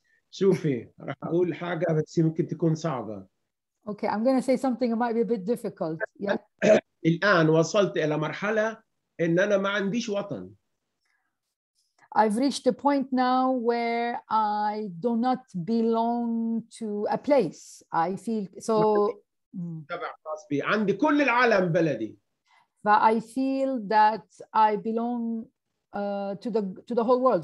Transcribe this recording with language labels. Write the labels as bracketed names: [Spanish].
[Arabic] شوفي, راح أقول حاجة بس يمكن تكون صعبة. [English] Okay, I'm gonna say something that might be a bit difficult. Yeah. [Arabic] الآن وصلت إلى مرحلة إن أنا ما عنديش وطن. [English] I've reached a point now where I do not belong to a place. I feel so. [Arabic] تبع خاص بي. عندي كل العالم بلدي. [English] But I feel that I belong to the whole world.